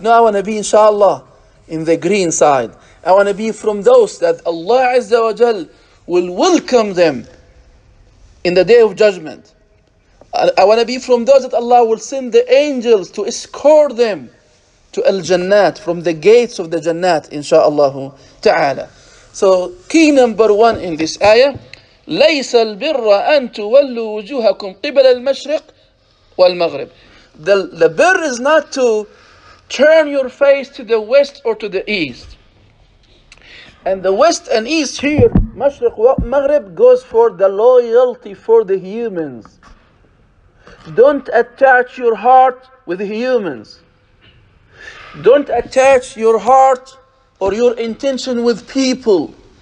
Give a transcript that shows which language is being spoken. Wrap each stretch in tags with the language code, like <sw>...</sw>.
<en>No, I want to be, inshallah, in the green side. I want to be from those that Allah Azza wa Jal will welcome them in the Day of Judgment. I want to be from those that Allah will send the angels to escort them to Al-Jannat, from the gates of the Jannat, inshaAllah ta'ala. So key number one in this ayah,</en> <ar>لَيْسَ الْبِرَّ أَن تُوَلُّوا وُجُوهَكُمْ قِبَلَ الْمَشْرِقِ وَالْمَغْرِبِ.</ar> <en>The birr is not to turn your face to the west or to the east. And the west and east here, Mashriq wa Maghrib, goes for the loyalty for the humans. Don't attach your heart with humans. Don't attach your heart or your intention with people.</en>